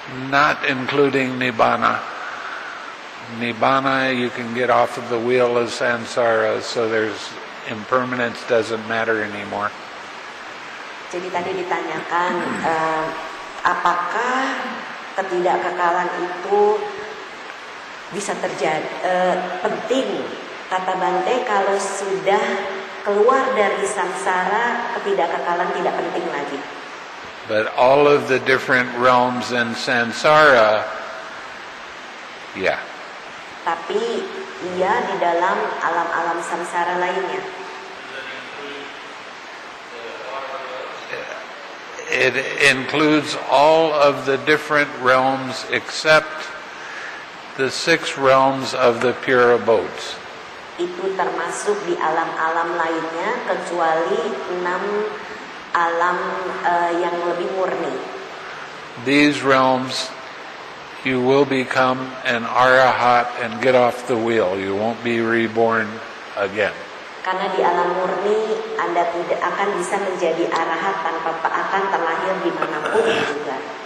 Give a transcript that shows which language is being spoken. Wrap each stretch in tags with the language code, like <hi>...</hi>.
<en>Not including Nibbana. Nibbana, you can get off of the wheel of samsara, so there's impermanence doesn't matter anymore.</en> <id>Jadi tadi ditanyakan, apakah ketidakkekalan itu bisa terjadi? Penting, kata Bante, kalau sudah keluar dari samsara, ketidakkekalan tidak penting lagi.</id> <en>But all of the different realms in samsara, yeah.</en> <id>Tapi ia di dalam alam-alam samsara lainnya.</id> <en>It includes all of the different realms except the six realms of the pure abodes.</en> <id>Itu termasuk di alam-alam lainnya kecuali enam alam yang lebih murni.</id> <en>These realms, you will become an arahat and get off the wheel. You won't be reborn again.</en> <id>Karena di alam murni, Anda tidak akan bisa menjadi arahat tanpa akan terlahir di manapun juga.</id>